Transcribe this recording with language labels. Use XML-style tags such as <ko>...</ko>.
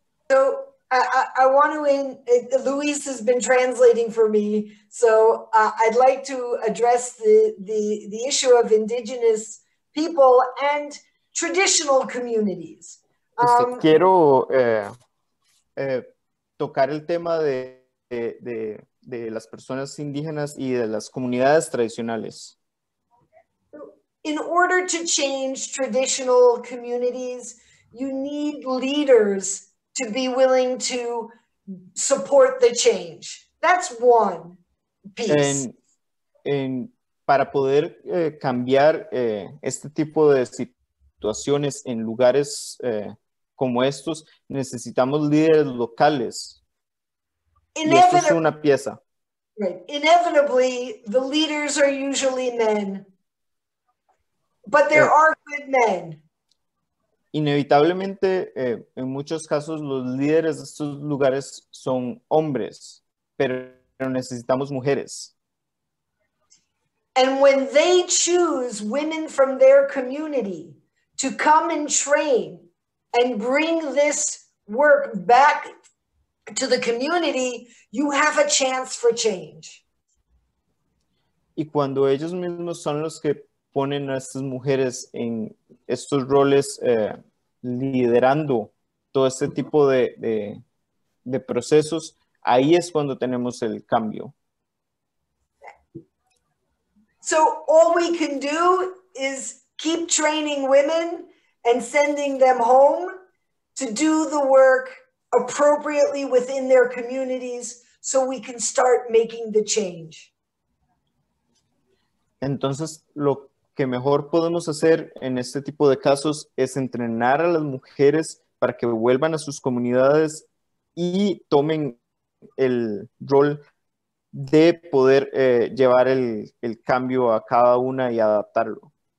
<en>So, I want to, Luis has been translating for me, so I'd like to address the issue of indigenous people and traditional communities.</en> <es>Quiero tocar el tema de las personas indígenas y de las comunidades tradicionales.</es> <en>In order to change traditional communities, you need leaders to be willing to support the change. That's one piece.</en> <es>Para poder cambiar este tipo de situaciones en lugares como estos, necesitamos líderes locales.</es> <en>Inevitably,</en> <es>y esto es una pieza.</es> <en>Right. Inevitably, the leaders are usually men. But there are good men.</en> <es>Inevitablemente, en muchos casos, los líderes de estos lugares son hombres, pero necesitamos mujeres.</es> <en>And when they choose women from their community to come and train and bring this work back to the community, you have a chance for change.</en> <es>Y cuando ellos mismos son los que ponen a estas mujeres en estos roles liderando todo este tipo de procesos, ahí es cuando tenemos el cambio.</es> <en>So all we can do is keep training women and sending them home to do the work appropriately within their communities so we can start making the change.</en> <es>Entonces, lo que mejor podemos hacer en este tipo de casos es entrenar a las mujeres para que vuelvan a sus comunidades y tomen el rol de poder llevar el cambio a cada una y adaptarlo.</es>